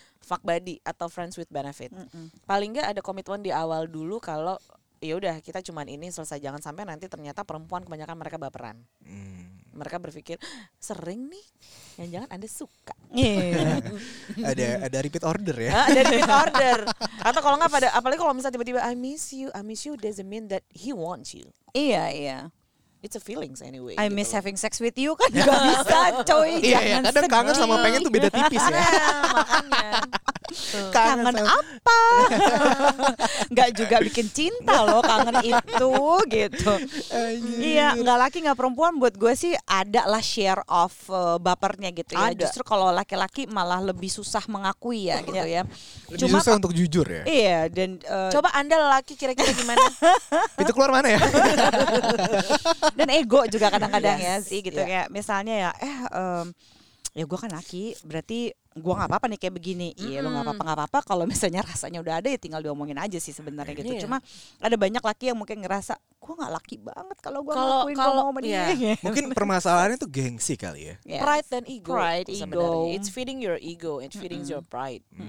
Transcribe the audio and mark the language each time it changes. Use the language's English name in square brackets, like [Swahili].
[English] Fuck buddy [Indonesian] atau [English] friends with benefit. [Indonesian] Paling enggak ada komitmen di awal dulu kalau ya udah kita cuman ini selesai, jangan sampai nanti ternyata perempuan kebanyakan mereka baperan. Mereka berpikir sering nih, yang jangan Anda suka. ada [English] repeat order [Indonesian] ya. Ada [English] repeat order. [Indonesian] Atau kalau enggak pada, apalagi kalau misalnya tiba-tiba [English] I miss you doesn't mean that he wants you. [Indonesian] Iya. [English] It's a feelings anyway. I miss having sex with you [Indonesian] kan juga bisa, coy. Iya, kangen sama pengen tuh beda tipis ya. Makanya. Kangen apa? Gak juga bikin cinta loh kangen itu gitu. Iya, gak laki gak perempuan buat gue sih ada lah [English] share of [Indonesian] bapernya gitu ya. Ada. Justru kalau laki-laki malah lebih susah mengakui ya gitu ya. Lebih cuma susah untuk jujur ya. Iya, dan coba Anda laki kira-kira gimana? Itu keluar mana ya? Dan ego juga kadang-kadang ya sih gitu ya. Kayak misalnya ya ya gue kan laki berarti gue nggak apa-apa nih kayak begini. Iya lo nggak apa-apa kalau misalnya rasanya udah ada ya tinggal diomongin aja sih sebenarnya gitu. Cuma ada banyak laki yang mungkin ngerasa gue nggak laki banget kalau gue ngelakuin ngomongin dia. Mungkin permasalahannya tuh gengsi kali ya. Pride dan ego. [English] It's feeding your ego, it's feeding your pride.